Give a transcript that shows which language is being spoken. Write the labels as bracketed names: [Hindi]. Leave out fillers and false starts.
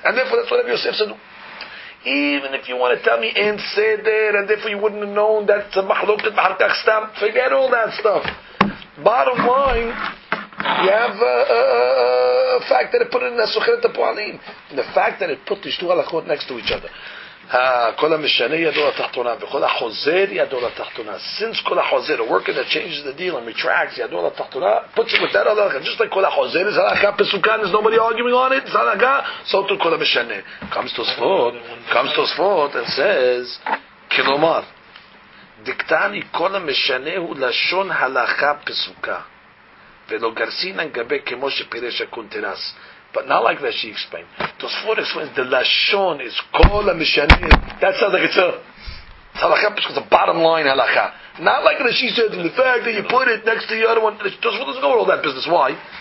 [English] And therefore, that's what Rabbi Yosef said. Even if you want to tell me and say that, and therefore you wouldn't have known that it's a machloket b'harkach stam, forget all that stuff. Bottom line, you have a fact that it put it in the sukhret ha-po'alim. The fact that it put these two halakhot next to each other. [Hebrew] כל המשנה ידו לתחתונה וכל החוזר ידו לתחתונה. [English] Since כל החוזר, a worker that changes the deal and retracts [Hebrew] ידו לתחתונה, [English] puts it with that halacha. Just like כל החוזר is halacha pesukan, there's nobody arguing on it, it's halacha, so to כל המשנה. Comes to Sfot and says, [Hebrew] כלומר, דקטני כל המשנה הוא לשון הלכה פסוקה, ולא גרסינן גבי כמו שפירש הקונטרס. [English] But not like that she explained. Tosfot explains the lashon is kol ha-mishane. That sounds like it's a halacha pesukah, it's a bottom line halacha. Not like that she said, the fact that you put it next to the other one. Tosfot doesn't go with all that business. Why?